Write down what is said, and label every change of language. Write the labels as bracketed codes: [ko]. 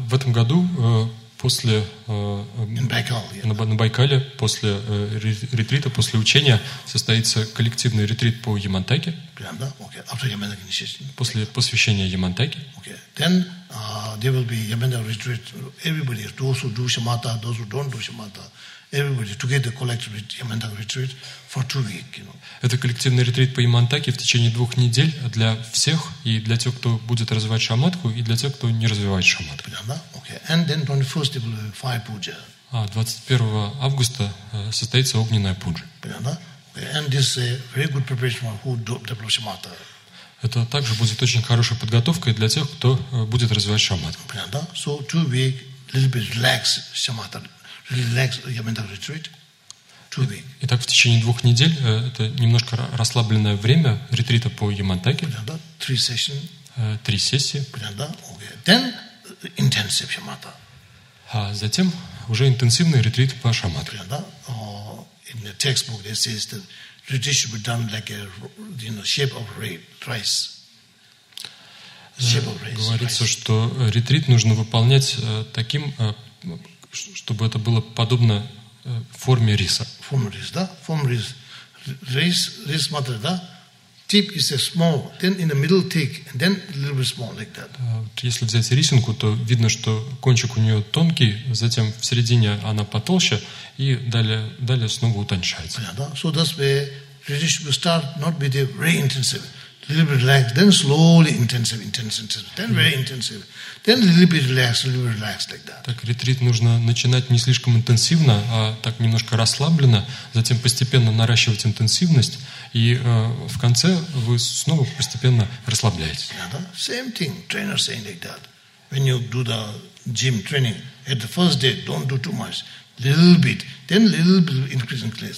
[ru] В этом году после на Байкале после ретрита, после учения состоится коллективный ретрит по Ямантаке. [en] Yeah, okay. After Yamanda initiation. [ru] После посвящения Ямантаке. [en] Okay. Then there will be Yamanda retreat. Everybody, those who do shamatha, those who don't do shamatha. Everybody together collective Ямантака retreat for 2 weeks. You know. [ru] Это коллективный ретрит по Ямантаке в течение 2 недель для всех и для тех, кто будет развивать шаматку, и для тех, кто не развивает шаматку. Понятно? [en] Okay. And then 21st will be fire puja. [ru] А 21 августа состоится огненная пуджа. Понятно? Okay. [en] And this is a very good preparation for who develops shamatha. [ru] Это также будет очень хорошей подготовкой для тех, кто будет развивать шаматку. Понятно? [en] So 2 weeks little bit relax shamatha. Relax, Yamanta retreat. 2 weeks. [ru] Итак, в течение 2 недель это немножко расслабленное время ретрита по Ямантаке. Понятно? [en] 3 sessions. [ru] 3 сессии. Понятно? [en] Okay. Then intensive shamatha. [ru] А затем уже интенсивный ретрит по шамадхе. Понятно? [en] In the textbook it says that retreat should be done like a, you know, shape of rice. Shape of rice. [ru] Говорится, [en] rice. [ru] Что ретрит нужно выполнять таким, чтобы это было подобно форме риса. Форме риса, да? Форме риса. Рис, рис матер, да? [en] Тип is a small, then in the middle thick, and then a little bit small, like that. [ru] Если взять рисинку, то видно, что кончик у нее тонкий, затем в середине она потолще, и далее снова утончается. Понятно, да? [en] So that's where you should start not be the very intensive, little bit relaxed, then slowly intensive, intense, intense, then very intensive, then little bit relaxed, like that. [ru] Так ретрит нужно начинать не слишком интенсивно, а так немножко расслабленно, затем постепенно наращивать интенсивность, и в конце вы снова постепенно расслабляетесь. [en] Yeah, [ru] да? [en] Same thing, trainer saying like that. When you do the gym training, at the first day, don't do too much, little bit, then little bit increase in class.